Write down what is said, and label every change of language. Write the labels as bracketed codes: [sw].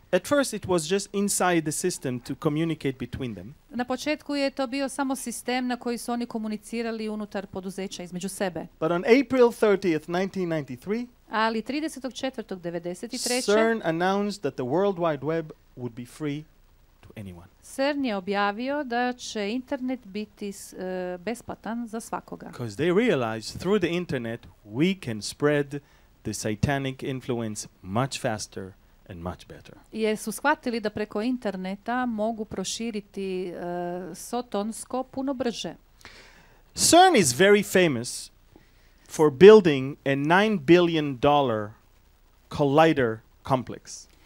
[en] At first it was just inside the system to communicate between them. [hr] Na početku je to bio samo sistem na koji su oni komunicirali unutar poduzeća između sebe. [en] But on April 30th, 1993, [hr] ali 30.4.93. [en] CERN announced that the World Wide Web would be free to anyone. [hr] CERN je objavio da će internet biti besplatan za svakoga. [en] Because they realized through the internet we can spread the satanic influence much faster and much better. [hr] Jer su shvatili da preko interneta mogu proširiti sotonsko puno brže. [en] CERN is very famous for building a $9 billion collider complex.